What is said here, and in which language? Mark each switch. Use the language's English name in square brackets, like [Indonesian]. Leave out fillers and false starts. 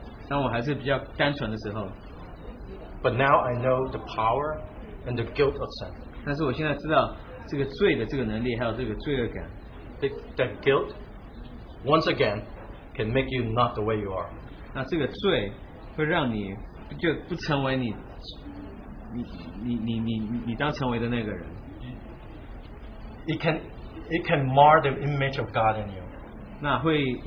[Chinese] 当我还是比较单纯的时候, [English] but now I know the power and the guilt of sin. [Chinese] 但是我现在知道这个罪的这个能力, [English] that guilt once again can make you not the way you are. [Chinese] 那这个罪会让你就不成为你当成为的那个人。 [English] It can mar the image of God in you.